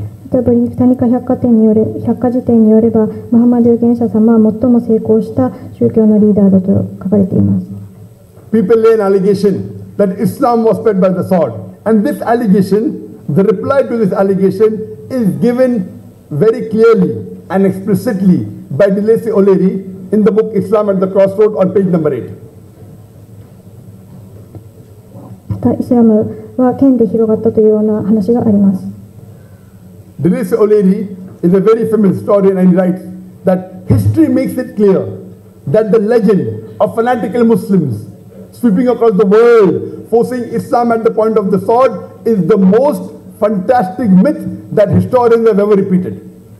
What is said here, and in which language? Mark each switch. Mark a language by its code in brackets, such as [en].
[ja] タブリンタニカ百貨店による百貨事典によればムハンマド預言者様は最も成功した宗教のリーダーだと書かれています。 [en] People lay an allegation that Islam was spread by the sword, and this allegation, the reply to this allegation is given very clearly and explicitly by Dilesi O'Leary in the book Islam at the Crossroad on page number 8. [ja] イスラムは剣で広がったというような話があります。 [en] Dilesi O'Leary is a very famous historian, and he writes that history makes it clear that the legend of fanatical Muslims sweeping across the world forcing Islam at the point of the sword is the most fantastic myth that historians have ever repeated.